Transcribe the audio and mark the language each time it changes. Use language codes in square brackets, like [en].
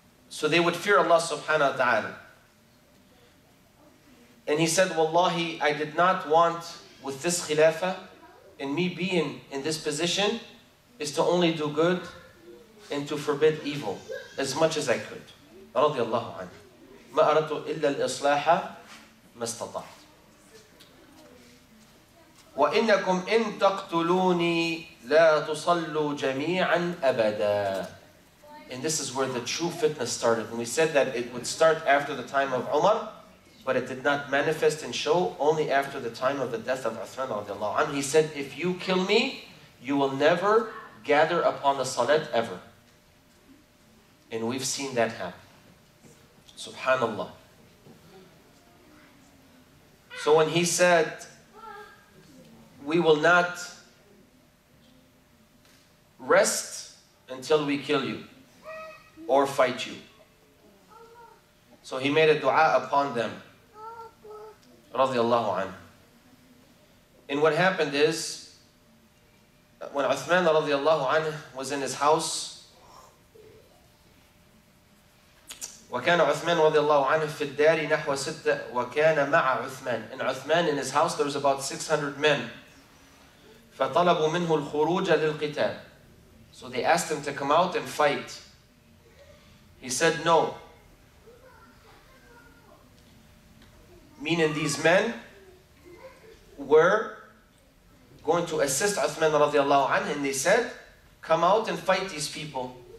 [en] So they would fear Allah subhanahu wa ta'ala. And he said, Wallahi, I did not want with this khilafah, and me being in this position is to only do good and to forbid evil as much as I could. [ar] رضي الله عنه. ما أردت إلا الإصلاح ما استطعت. وإنكم إن تقتلوني لا تصلوا جميعا أبدا. [en] And this is where the true fitness started. And we said that it would start after the time of Umar, but it did not manifest and show only after the time of the death of Uthman رضي الله عنه. He said, if you kill me, you will never gather upon the salat ever. And we've seen that happen. Subhanallah. So when he said, we will not rest until we kill you or fight you. So he made a dua upon them. Radiallahu anhu. And what happened is, when Uthman radiallahu anhu was in his house, [ar] وكان عثمان رضي الله عنه في الدار نحو ستة وكان مع عثمان. [en] In Uthman, in his house, there was about 600 men. [ar] فطلبوا منه الخروج للقتال. [en] So they asked him to come out and fight. He said no. Meaning these men were going to assist Uthman radiallahu anhu, and they said, come out and fight these people.